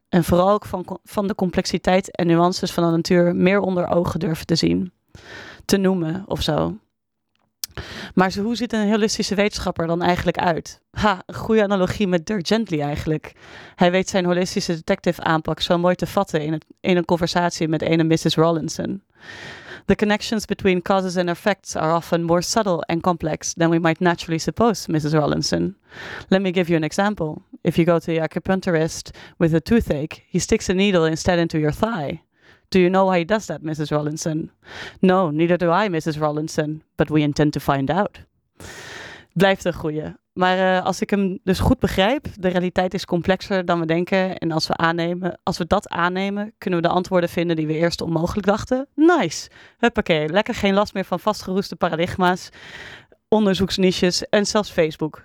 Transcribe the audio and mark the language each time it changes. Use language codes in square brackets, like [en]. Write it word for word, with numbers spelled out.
[nl] En vooral ook van, van de complexiteit en nuances van de natuur meer onder ogen durven te zien. Te noemen of zo. Maar zo, hoe ziet een holistische wetenschapper dan eigenlijk uit? Ha, een goede analogie met Dirk Gently eigenlijk. Hij weet zijn holistische detective aanpak zo mooi te vatten in, het, in een conversatie met een missus Rawlinson. [en] The connections between causes and effects are often more subtle and complex than we might naturally suppose, missus Rawlinson. Let me give you an example. If you go to the acupuncturist with a toothache, he sticks a needle instead into your thigh. Do you know why he does that, missus Rawlinson? No, neither do I, missus Rawlinson, but we intend to find out. [nl] Blijft een goeie. Maar uh, als ik hem dus goed begrijp, de realiteit is complexer dan we denken. En als we, aannemen, als we dat aannemen, kunnen we de antwoorden vinden die we eerst onmogelijk dachten. Nice. Huppakee, lekker geen last meer van vastgeroeste paradigma's, onderzoeksniches en zelfs Facebook.